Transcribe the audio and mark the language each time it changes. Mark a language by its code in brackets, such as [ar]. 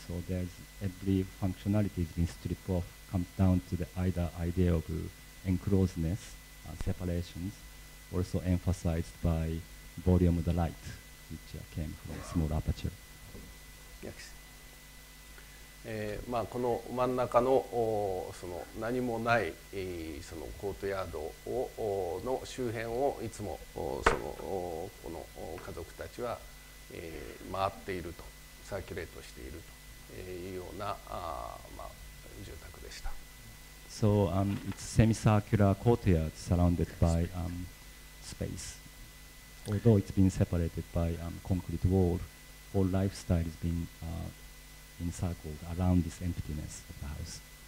[en] So there's every functionality is being stripped off, comes down to the either idea of enclosedness, separations, also emphasized by volume of the light, which came from a small aperture. Yes. [ja] まあこの真ん中のその何もないそのコートヤードをの周辺をいつもそのこの家族たちは回っているとサーキュレートしているというようなまあ住宅でした。 [en] So it's semi-circular courtyard surrounded by space. Although it's been separated by concrete wall, whole lifestyle has been encircled around this emptiness of the house.